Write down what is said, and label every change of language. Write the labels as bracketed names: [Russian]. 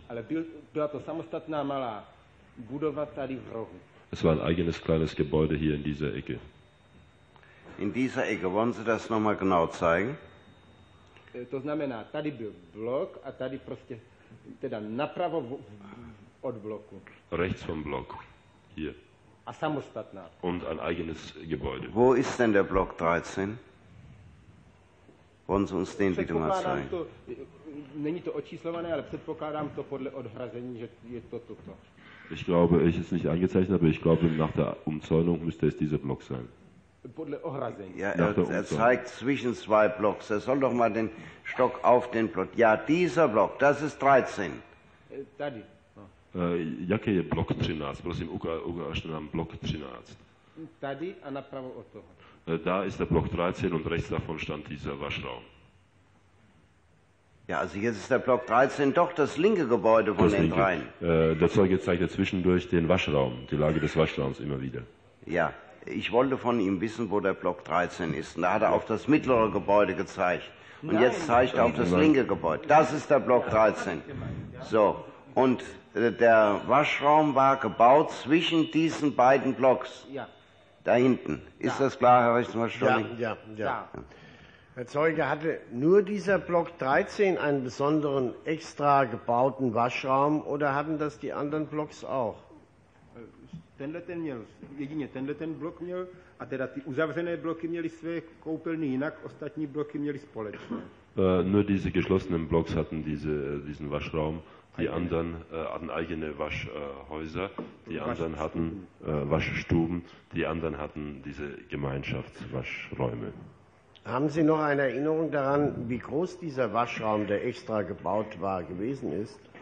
[Czech] Ale byla to samostatná malá budova tady v rohu. [German] Es war ein eigenes kleines Gebäude hier in dieser Ecke. In dieser Ecke, wollen Sie das nochmal genau zeigen? [Czech] To znamená, tady byl blok a tady prostě teda napravo od bloku. [German] Rechts vom Block. Hier. [Czech] A samostatná. [German] Und ein eigenes Gebäude. Wo ist denn der Block 13? Wollen Sie uns den bitte mal zeigen? [Czech] Není to očíslované, ale předpokládám to podle odhrazení, že je to toto. [German] Ich glaube, ich ist nicht eingezeichnet, aber ich glaube, nach der Umzäunung müsste es dieser Block sein. [Czech] Podle ohrazení. [German] Ja, er zeigt zwischen zwei Blocks. Er soll doch mal den Stock auf den Block. Ja, dieser Block, das ist 13. [Czech] Tady. Jaký je Block 13? Prosím, ukážte nám Block 13. Tady a napravo od toho. [German] Da ist der Block 13 und rechts davon stand dieser Waschraum. Ja, also jetzt ist der Block 13 doch das linke Gebäude von den dreien. Der Zeuge zeigt ja zwischendurch den Waschraum, die Lage des Waschraums immer wieder. Ja, ich wollte von ihm wissen, wo der Block 13 ist. Und da hat er auf das mittlere Gebäude gezeigt. Und nein, jetzt zeigt er auf das linke Gebäude. Das ist der Block 13. So, und der Waschraum war gebaut zwischen diesen beiden Blocks. Ja. Da hinten. Ist ja. Das klar, Herr Rechtsanwalt? Ja. Herr Zeuge, hatte nur dieser Block 13 einen besonderen extra gebauten Waschraum oder hatten das die anderen Blocks auch? [Czech] Tenhle ten Block měl, a teda ty uzavřené Blocky měly své koupelny jinak, ostatní Blocky měly společné. [German] Nur diese geschlossenen Blocks hatten diesen Waschraum. Die anderen hatten eigene Waschhäuser, die anderen hatten Waschstuben, die anderen hatten diese Gemeinschaftswaschräume. Haben Sie noch eine Erinnerung daran, wie groß dieser Waschraum, der extra gebaut war, gewesen ist?